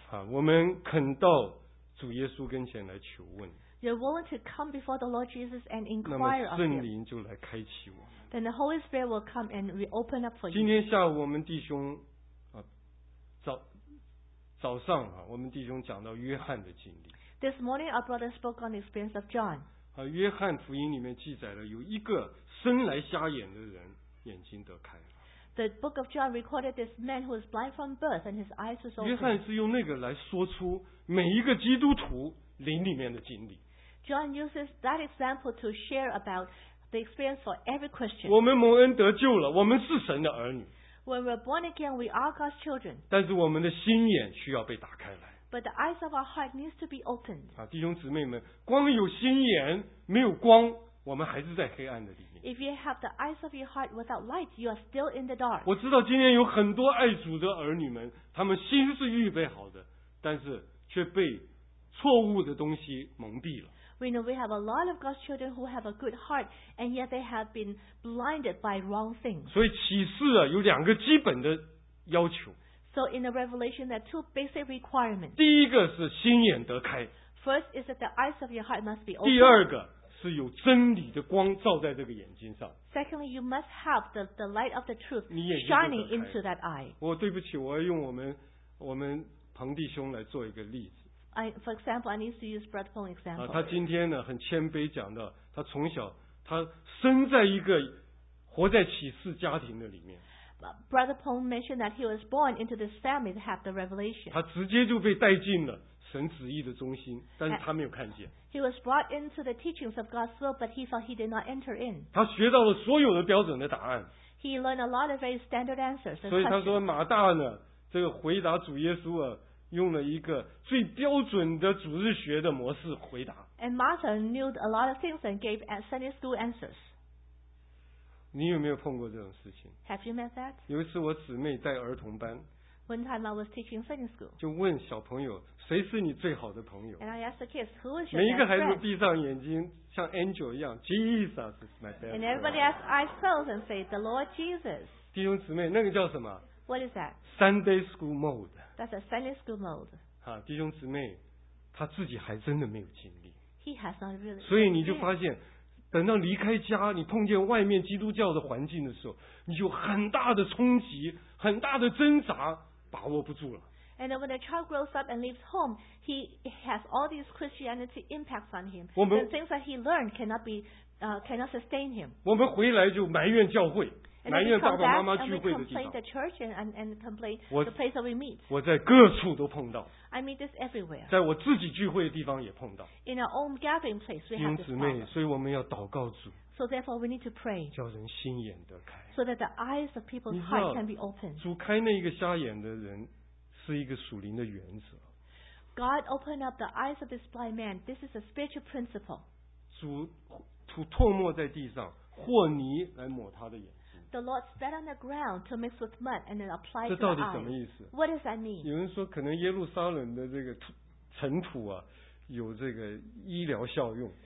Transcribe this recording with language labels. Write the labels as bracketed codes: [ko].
[zh] 啊，我们肯到主耶稣跟前来求问。 [en] You're willing to come before the Lord Jesus and inquire of Him. [zh] 圣灵就来开启我。 [en] Then the Holy Spirit will come and reopen up for you. [zh] 今天下午我们弟兄早上啊，我们弟兄讲到约翰的经历。 [en] This morning our brother spoke on the experience of John. [zh] 啊，约翰福音里面记载了有一个生来瞎眼的人眼睛得开了。 [en] The book of John recorded this man who was blind from birth and his eyes was opened. [zh] 约翰是用那个来说出每一个基督徒灵里面的经历。 [en] John uses that example to share about the experience for every Christian. [zh] 我们蒙恩得救了，我们是神的儿女。 [en] When we're born again, we are God's children. [zh] 但是我们的心眼需要被打开来。 [en] But the eyes of our heart needs to be opened. [zh] 啊，弟兄姊妹们，光有心眼没有光，我们还是在黑暗的里面。 [en] If you have the eyes of your heart without light, you are still in the dark. [zh] 我知道今天有很多爱主的儿女们，他们心是预备好的，但是却被错误的东西蒙蔽了。 [en] We know we have a lot of God's children who have a good heart, and yet they have been blinded by wrong things. [zh] 所以启示啊，有两个基本的要求。 [en] So in the revelation, there are two basic requirements. [zh] 第一个是心眼得开。 [en] First is that the eyes of your heart must be open. [zh] 第二个是有真理的光照在这个眼睛上。 [en] Secondly, you must have the light of the truth shining into that eye. [zh] 我对不起，我要用我们彭弟兄来做一个例子。 [en] For example, I need to use Brother Paul's example. [zh] 他今天呢很谦卑讲到，他从小他生在一个活在启示家庭的里面。 [en] Brother Paul mentioned that he was born into this family to have the revelation. [zh] 他直接就被带进了神旨意的中心，但是他没有看见。 [en] He was brought into the teachings of God's will, but he thought he did not enter in. [zh] 他学到了所有的标准的答案。 [en] He learned a lot of very standard answers. [zh] 所以他说马大呢，这个回答主耶稣啊。用了一个最标准的主日学的模式回答。 [en] And Martha knew a lot of things and gave Sunday school answers. [zh] 你有没有碰过这种事情？ [en] Have you met that? [zh] 有一次我姊妹带儿童班。 [en] One time I was teaching Sunday school. [zh] 就问小朋友谁是你最好的朋友。 [en] And I asked the kids who is your best friend. [zh] 每一个孩子闭上眼睛，像 angel 一样 ， [en] Jesus is my best friend. And everybody has eyes closed and say the Lord Jesus. [zh] 弟兄姊妹，那个叫什么？ [en] What is that? Sunday school mode. That's a Sunday school mode. [zh] 啊，弟兄姊妹，他自己还真的没有经历。 [en] He has not really. [zh] 所以你就发现，等到离开家，你碰见外面基督教的环境的时候，你就很大的冲击，很大的挣扎，把握不住了。 [en] And when a child grows up and leaves home, he has all these Christianity impacts on him. The things that he learned cannot sustain him. [zh] 我们回来就埋怨教会。埋怨爸爸妈妈聚会的地方。 [en] The church and complain the place that we meet. [zh] 我在各处都碰到。 [en] I meet this everywhere. [zh] 在我自己聚会的地方也碰到。 [en] In our own gathering place, we have this problem. [zh] 弟兄姊妹，所以我们要祷告主。 [en] So therefore, we need to pray. [zh] 叫人心眼得开。 [en] So that the eyes of people's heart can be opened. [zh] 主开那一个瞎眼的人，是一个属灵的原则。 [en] God opened up the eyes of this blind man. This is a spiritual principle. [zh] 主吐唾沫在地上，和泥来抹他的眼。 [en] The Lord spat on the ground to mix with mud and then apply to the [zh] 这到底什么意思？ [en] What does that mean? [zh] 有人说可能耶路撒冷的这个尘土啊，有这个医疗效用。